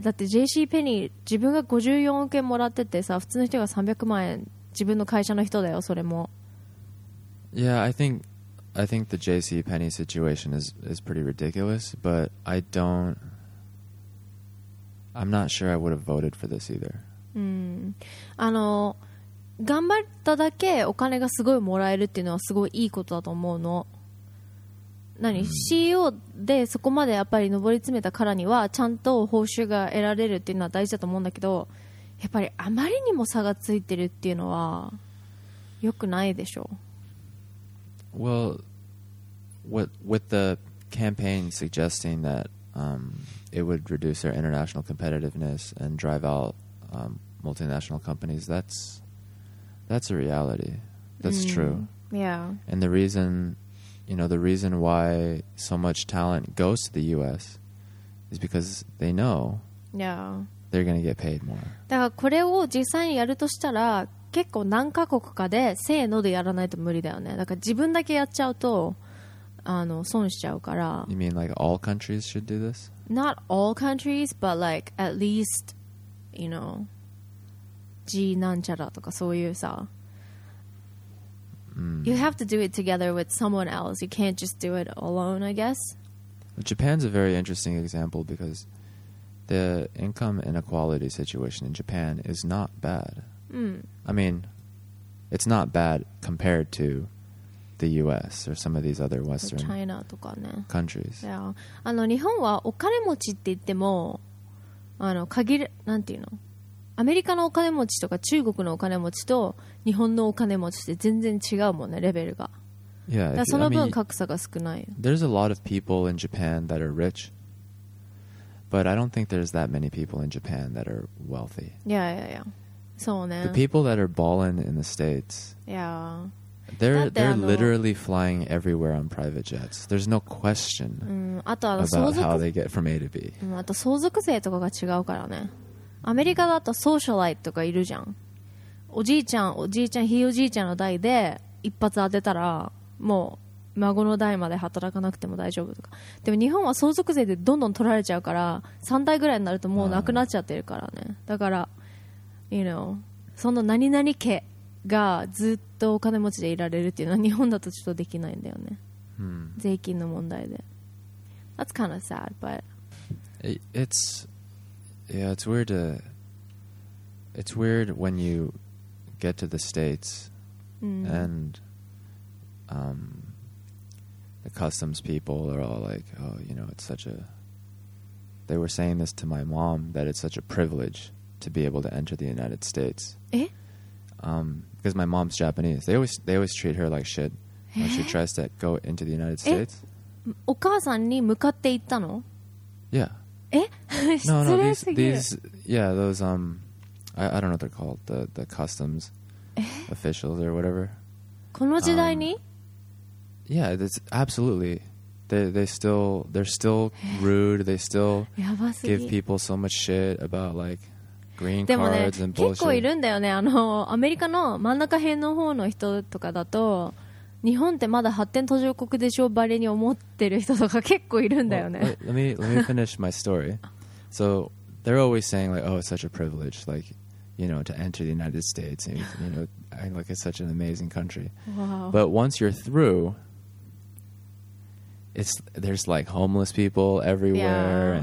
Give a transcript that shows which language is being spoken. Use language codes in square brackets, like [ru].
[ja] だって JC ペニー、自分が54億円もらっててさ、普通の人が300万円、自分の会社の人だよ、それも。 [en] Yeah, I think the JCPenney situation is pretty ridiculous, but I'm not sure I would have voted for this either. [ja] 頑張っただけお金がすごいもらえるっていうのはすごいいいことだと思うの。 CEO でそこまでやっぱり上り詰めたからにはちゃんと報酬が得られるっていうのは大事だと思うんだけど、やっぱりあまりにも差がついてるっていうのは良くないでしょう。 [en] Well, with the campaign suggesting that it would reduce their international competitiveness and drive out multinational companies, that's a reality. That's true. Yeah. And the reason why so much talent goes to the U.S. is because they know they're going to get paid more. [ja] だからこれを実際にやるとしたら、結構何カ国かでせーのでやらないと無理だよね。だから自分だけやっちゃうと損しちゃうから。 [en] You mean like all countries should do this? Not all countries, but like at least, you know, [ja] G なんちゃらとかそういうさ、mm. [en] You have to do it together with someone else. You can't just do it alone, I guess. Japan's a very interesting example because the income inequality situation in Japan is not bad. Mm. I mean, it's not bad compared to the US or some of these other Western [ja] China とかね [en] countries. Yeah. [ja] あの、日本はお金持ちって言っても、あの、限る、なんていうの？アメリカのお金持ちとか中国のお金持ちと日本のお金持ちって全然違うもんね、レベルが。 [en] Yeah, [ja] その分格差が少ない。 [en] There's a lot of people in Japan that are rich, but I don't think there's that many people in Japan that are wealthy. Yeah, yeah, yeah. [ja] そうね。 [en] The people that are ballin' in the States. Yeah. They're literally flying everywhere on private jets. There's no question、 [ja] うん、あとあの [en] about how they get from A to B.、 [ja] うん、あと相続税とかが違うからね。アメリカだとソーシャライトとかいるじゃん。おじいちゃん、おじいちゃん、ひいおじいちゃんの代で一発当てたら、もう孫の代まで働かなくても大丈夫とか。でも日本は相続税でどんどん取られちゃうから、3代ぐらいになるともうなくなっちゃってるからね。だから、 [en] you know、 [ja] その何々家。がずっとお金持ちでいられるっていうのは日本だとちょっとできないんだよね、 hmm. 税金の問題で [en] That's kind of sad, but It's Yeah, it's weird to It's weird when you get to the States、 mm. and the customs people are all like oh, you know, it's such a They were saying this to my mom that it's such a privilege to be able to enter the United States え Because my mom's Japanese. They always treat her like shit when she tries to go into the United States. [ja] お母さんに向かって行ったの? [en] Yeah. [ja] え?失礼すぎる。 [en] No, those I don't know what they're called. The customs officials or whatever. [ja] この時代に? [en] Yeah, that's absolutely. They're still rude. They still give people so much shit about like... [ja] でもね結構いるんだよねあのアメリカの真ん中辺の方の人とかだと日本ってまだ発展途上国でしょバレに思ってる人とか結構いるんだよね [en] let me finish my story so they're always saying like oh it's such a privilege like you know to enter the United States and, you know I like it's such an amazing country、 wow. but once you're through it's there's like homeless people everywhere、